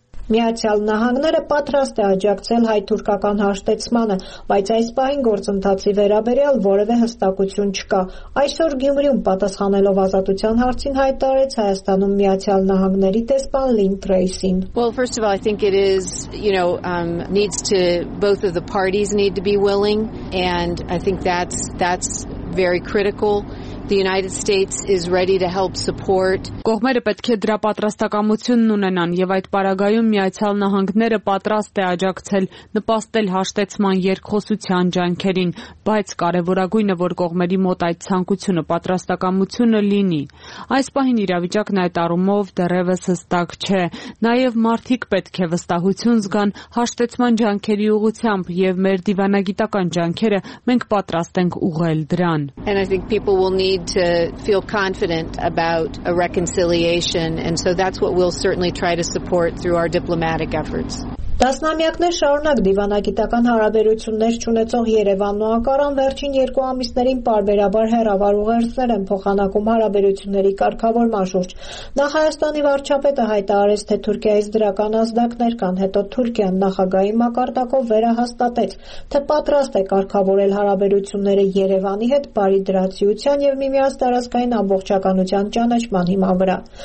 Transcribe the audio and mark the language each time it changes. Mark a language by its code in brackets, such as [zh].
[hy] Միացյալ Նահանգները պատրաստ է աջակցել հայ-թուրքական հաշտեցմանը, բայց այս պահին գործընթացի վերաբերյալ որևէ հստակություն չկա։ Այսօր Գյումրիում պատասխանելով ազատության հարցին հայտարարեց Հայաստանում Միացյալ Նահանգների դեսպան Լին Թրեյսին. [en] Well, first of all, I think it is, you know, needs to both of the parties need to be willing, and I think that's very critical. The United States is ready to help support. [hy] Կողմերը պետք է դրա պատրաստակամությունն ունենան եւ այդ պարագայում Միացյալ Նահանգները պատրաստ է աջակցել նպաստել հաշտեցման երկխոսության ջանքերին, բայց կարևորագույնը, որ կողմերի մոտ այդ ցանկությունը պատրաստակամությունը լինի։ Այս պահին իրավիճակն այդ առումով դեռևս հստակ չէ, նաեւ մարդիկ պետք է վստահություն զգան հաշտեցման ջանքերի ուղղությամբ եւ մեր դիվանագիտական ջանքերը մենք պատրաստ ենք ուղղել դրան։ [en] Need to feel confident about a reconciliation, and so that's what we'll certainly try to support through our diplomatic efforts. [hy] Տասնամյակներ շարունակ դիվանագիտական հարաբերություններ չունեցող Երևանն ու Անկարան վերջին երկու ամիսներին պարբերաբար հեռավարող երսեր են փոխանակում հարաբերությունների կարգավորման շուրջ։ Նախ Հայաստանի վարչապետը հայտարարեց, թե Թուրքիայից դրական ազդակներ կան, հետո Թուրքիան նախագահի մակարդակով վերահաստատեց, թե պատրաստ է կարգավորել հարաբերությունները Երևանի հետ բարի դրացիության և միմյանց տարածքային ամբողջականության ճանաչման հիման վրա։